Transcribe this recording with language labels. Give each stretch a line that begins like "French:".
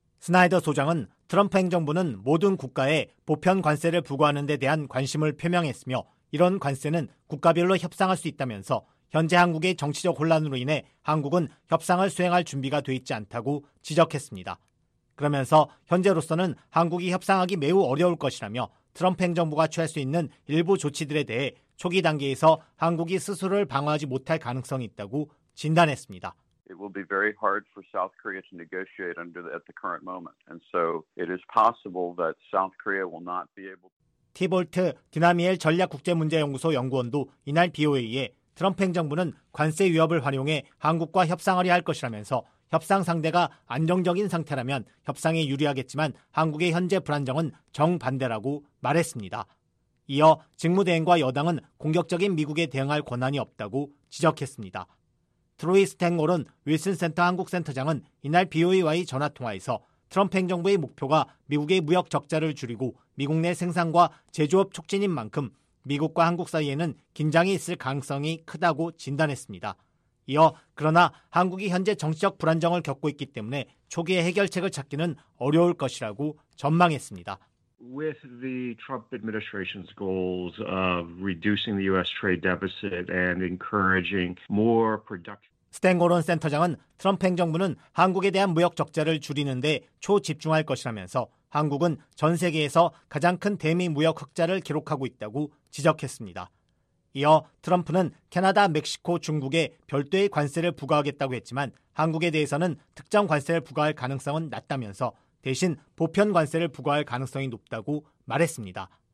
Korean: 스나이더 소장은 트럼프 행정부는 모든 국가에 보편 관세를 부과하는 데 대한 관심을 표명했으며 이런 관세는 국가별로 협상할 수 있다면서 현재 한국의 정치적 혼란으로 인해 한국은 협상을 수행할 준비가 돼 있지 않다고 지적했습니다. 그러면서 현재로서는 한국이 협상하기 매우 어려울 것이라며 트럼프 행정부가 취할 수 있는 일부 조치들에 대해 초기 단계에서 한국이 스스로를 방어하지 못할 가능성이 있다고 진단했습니다.
English: It will be very hard for South Korea to negotiate under at the current moment. And so it is possible that South Korea will not be able to.
Korean: 티볼트 디나미엘 전략국제문제연구소 연구원도 이날 BOA에 트럼프 행정부는 관세 위협을 활용해 한국과 협상하려 할 것이라면서 협상 상대가 안정적인 상태라면 협상에 유리하겠지만 한국의 현재 불안정은 정반대라고 말했습니다. 이어 직무대행과 여당은 공격적인 미국에 대응할 권한이 없다고 지적했습니다. 트로이 스탱골은 윌슨센터 한국센터장은 이날 BOA와의 전화통화에서 트럼프 행정부의 목표가 미국의 무역 적자를 줄이고 미국 내 생산과 제조업 촉진인 만큼 미국과 한국 사이에는 긴장이 있을 가능성이 크다고 진단했습니다. 이어 그러나 한국이 현재 정치적 불안정을 겪고 있기 때문에 초기에 해결책을 찾기는 어려울 것이라고 전망했습니다.
English: With the Trump administration's goals of reducing the U.S. trade deficit and encouraging more production.
Korean: 스탱골은 센터장은 트럼프 행정부는 한국에 대한 무역 적자를 줄이는 데 초집중할 것이라면서 한국은 전 세계에서 가장 큰 대미 무역 흑자를 기록하고 있다고 지적했습니다. 이어 트럼프는 캐나다, 멕시코, 중국에 별도의 관세를 부과하겠다고 했지만 한국에 대해서는 특정 관세를 부과할 가능성은 낮다면서 대신 보편 관세를 부과할 가능성이 높다고 말했습니다.